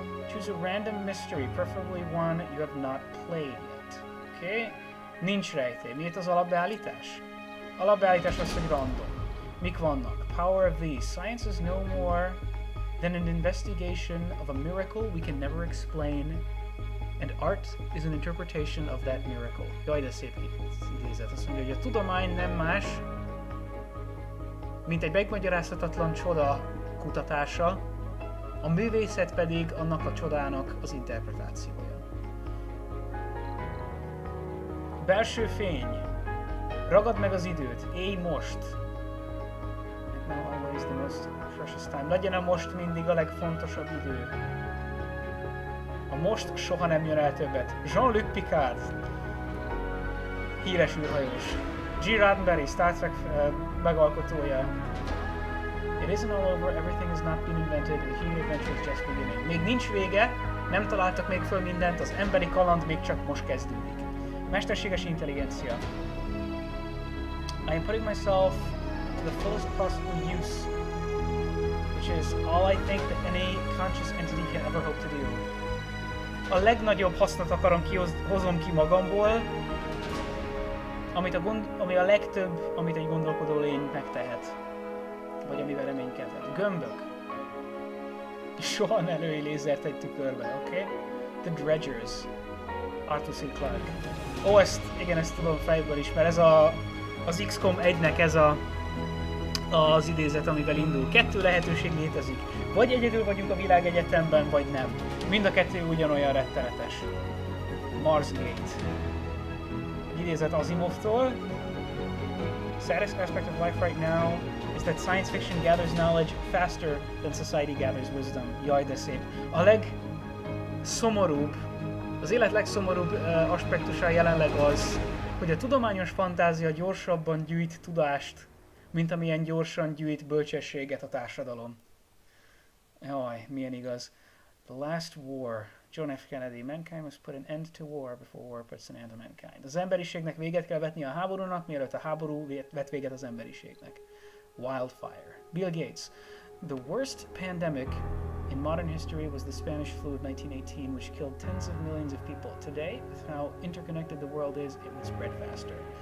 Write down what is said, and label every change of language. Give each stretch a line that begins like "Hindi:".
English: Choose a random mystery, preferably one you have not played yet.
Hungarian: Okay? Nincs rejtély. Miért az alapbeállítás? Alapbeállítás az, hogy random. Mik vannak?
English: Power of these. Science is no more than an investigation of a miracle we can never explain. And art is an interpretation of that miracle.
Hungarian: Jaj, de szép idézet. Azt mondja, hogy a tudomány nem más, mint egy megmagyarázhatatlan csoda kutatása, a művészet pedig annak a csodának az interpretációja. Belső fény. Ragad meg az időt. Élj most.
English: Now always the most precious time.
Hungarian: Legyen a most mindig a legfontosabb idő. A most soha nem jön el többet. Jean-Luc Picard. Híres űrhajós. Gene Roddenberry, Star Trek megalkotója.
English: It isn't all over, everything has not been invented, the human adventure is just beginning.
Hungarian: Még nincs vége, nem találtak még föl mindent, az emberi kaland még csak most kezdődik. Mesterséges intelligencia.
English: I am putting myself to the fullest possible use, which is all I think that any conscious entity can ever hope to do.
Hungarian: a legnagyobb hasznot akarom hozom ki magamból, ami a legtöbb, amit egy gondolkodó lény megtehet. Vagy amivel reménykedhet. Gömbök. Soha ne lőj lézert egy tükörbe, oké?
English: Okay? The Dredgers. Arthur C. Clarke.
Hungarian: Ó, ezt, igen, ezt tudom fejből is, mert ez a... Az XCOM 1-nek ez a... Az idézet, amivel indul. Kettő lehetőség létezik. Vagy egyedül vagyunk a világegyetemben, vagy nem. Mind a kettő ugyanolyan rettenetes. Mars Gate. Idézet Asimovtól.
English: Saddest aspect of life right now is that science fiction gathers knowledge faster than society gathers wisdom.
Hungarian: Jaj, de szép. A legszomorúbb, az élet legszomorúbb aspektusa jelenleg az, hogy a tudományos fantázia gyorsabban gyűjt tudást, mint amilyen gyorsan gyűjt bölcsességet a társadalom. Jaj, milyen igaz.
English: The last war.
Hungarian: John F. Kennedy.
English: Mankind must put an end to war before war puts an end to mankind.
Hungarian: Az emberiségnek véget kell vetni a háborúnak, mielőtt a háború vet véget az emberiségnek.
English: Wildfire. Bill Gates. The worst pandemic in modern history was the Spanish flu of 1918, which killed tens of millions of people. Today, with how interconnected the world is, it would spread faster.